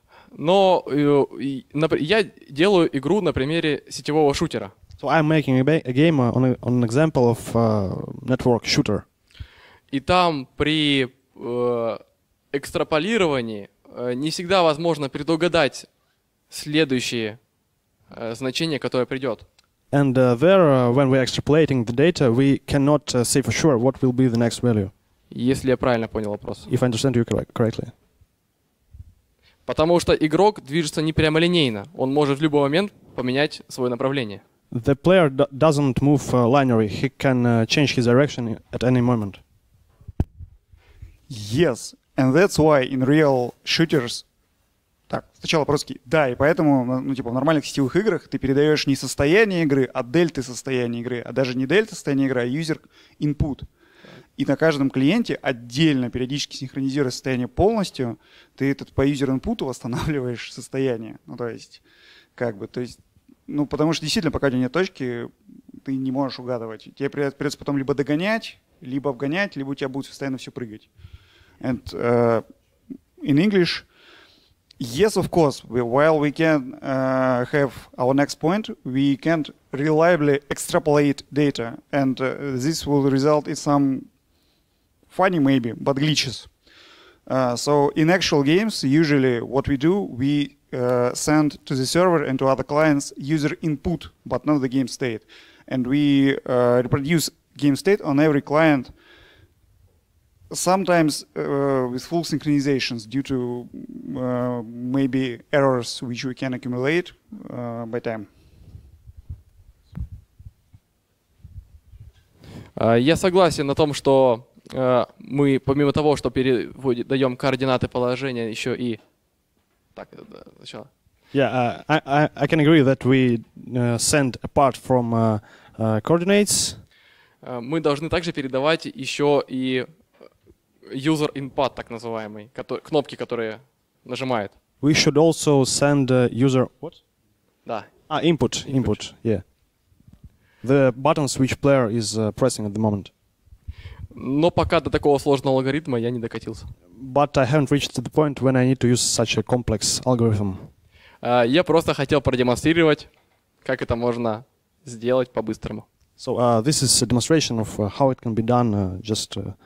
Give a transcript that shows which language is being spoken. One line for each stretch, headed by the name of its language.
Russian: Но я делаю игру на примере сетевого шутера.
English: So I'm making a game on an example of network shooter.
Russian: И там при экстраполировании не всегда возможно предугадать следующие значение, которое придет.
English: And there, when we're extrapolating the data, we cannot say for sure what will be the next value.
Russian: Если я правильно понял вопрос.
English: If I understand you correctly.
Russian: Потому что игрок движется не прямолинейно. Он может в любой момент поменять свое направление.
English: The player doesn't move linearly. He can change his direction at any moment. Yes, and that's why in real shooters.
Russian: Так, сначала по-русски. Да, и поэтому, ну, типа, в нормальных сетевых играх ты передаешь не состояние игры, а дельты состояния игры, а даже не дельта состояния игры, а user input. И на каждом клиенте отдельно, периодически синхронизируя состояние полностью, ты этот по user input восстанавливаешь состояние. Ну, то есть, как бы, то есть, ну, потому что действительно, пока у тебя нет точки, ты не можешь угадывать. Тебе придется потом либо догонять, либо обгонять, либо у тебя будет постоянно все прыгать.
English: And in English... Yes, of course. While we can have our next point, we can't reliably extrapolate data, and this will result in some funny, maybe, but glitches. So in actual games, usually what we do, we send to the server and to other clients user input, but not the game state, and we reproduce game state on every client. Sometimes with full synchronizations due to maybe errors which we can accumulate by time.
Russian: Я согласен на том, что мы помимо того, что передаем координаты положения, еще и так сначала.
English: Yeah, I can agree that we send apart from coordinates.
Russian: Мы должны также передавать еще и user input, так называемый, кнопки, которые нажимает.
English: We should also send user... What?
Russian: Да.
English: Input, yeah. The buttons which player is pressing at the moment.
Russian: Но пока до такого сложного алгоритма я не докатился.
English: But I haven't reached the point when I need to use such a complex algorithm.
Russian: Я просто хотел продемонстрировать, как это можно сделать по-быстрому.
English: So this is a demonstration of how it can be done just...